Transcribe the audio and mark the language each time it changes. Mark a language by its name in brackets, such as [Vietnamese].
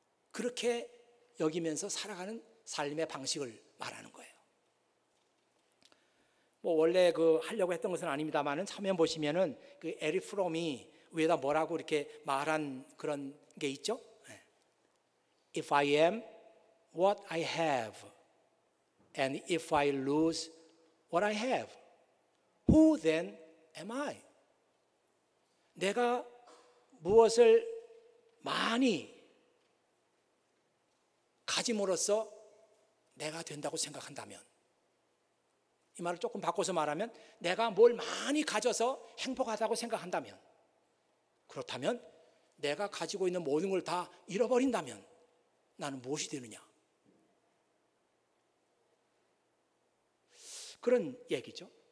[Korean] 그렇게 여기면서 살아가는 삶의 방식을 말하는 거예요. 뭐 원래 그 하려고 했던 것은 아닙니다만은 처음에 보시면은 그 에리 프롬이 위에다 뭐라고 이렇게 말한 그런 게 있죠. [English] If I am what I have and if I lose what I have, who then am I? [Korean] 내가 무엇을 많이 가짐으로써 내가 된다고 생각한다면, 이 말을 조금 바꿔서 말하면 내가 뭘 많이 가져서 행복하다고 생각한다면, 그렇다면 내가 가지고 있는 모든 걸 다 잃어버린다면 나는 무엇이 되느냐, 그런 얘기죠.